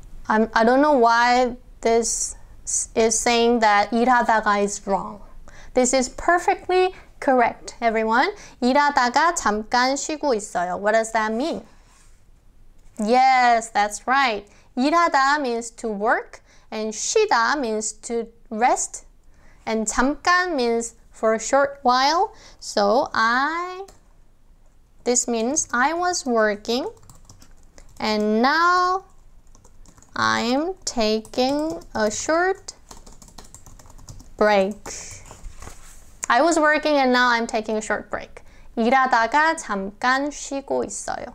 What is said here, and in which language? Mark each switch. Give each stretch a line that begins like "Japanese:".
English: I don't know why this is saying that 일하다가 is wrong. This is perfectly Correct, everyone.
Korean: 일하다가 잠깐 쉬고 있어요.
English: What does that mean? Yes, that's right. 일하다 means to work, and 쉬다 means to rest, and 잠깐 means for a short while. So this means I was working, and now I'm taking a short break. I was working and now I'm taking a short break.
Korean: 일하다가 잠깐 쉬고 있어요.